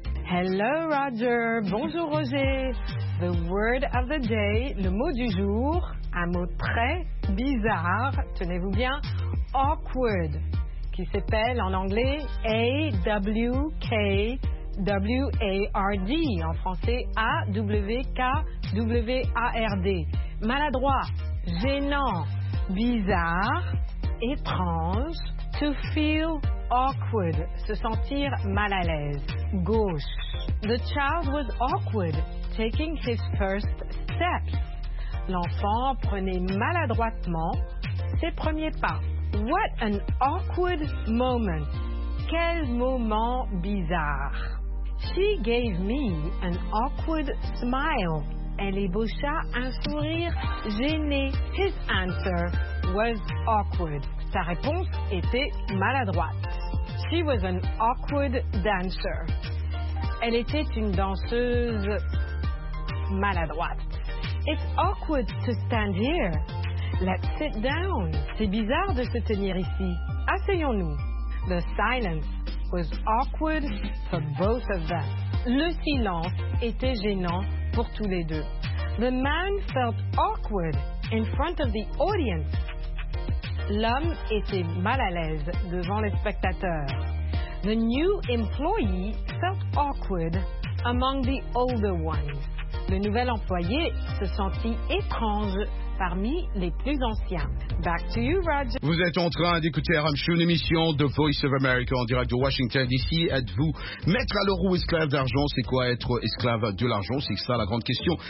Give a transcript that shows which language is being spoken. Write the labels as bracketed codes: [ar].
[en] Hello Roger, [fr] bonjour Roger. [en] The word of the day, [fr] le mot du jour, un mot très bizarre, tenez-vous bien, awkward, qui s'appelle en anglais A-W-K-W-A-R-D, en français A-W-K-W-A-R-D. Maladroit, gênant, bizarre, étrange. [en] To feel awkward, [fr] se sentir mal à l'aise. Gauche. [en] The child was awkward, taking his first steps. [fr] L'enfant prenait maladroitement ses premiers pas. [en] What an awkward moment. [fr] Quel moment bizarre. [en] She gave me an awkward smile. [fr] Elle ébaucha un sourire gêné. [en] His answer was awkward. [fr] Sa réponse était maladroite. [en] She was an awkward dancer. [fr] Elle était une danseuse maladroite. [en] It's awkward to stand here. Let's sit down. [fr] C'est bizarre de se tenir ici. Asseyons-nous. [en] The silence was awkward for both of them. [fr] Le silence était gênant pour tous les deux. [en] The man felt awkward in front of the audience. [fr] L'homme était mal à l'aise devant les spectateurs. [en] The new employee felt awkward among the older ones. [fr] Le nouvel employé se sentit étrange parmi les plus anciens. [en] Back to you, Roger. [fr] Vous êtes en train d'écouter RM Show, une émission de Voice of America en direct de Washington DC. Êtes-vous maître à l'euro ou esclave d'argent? C'est quoi être esclave de l'argent? C'est ça la grande question.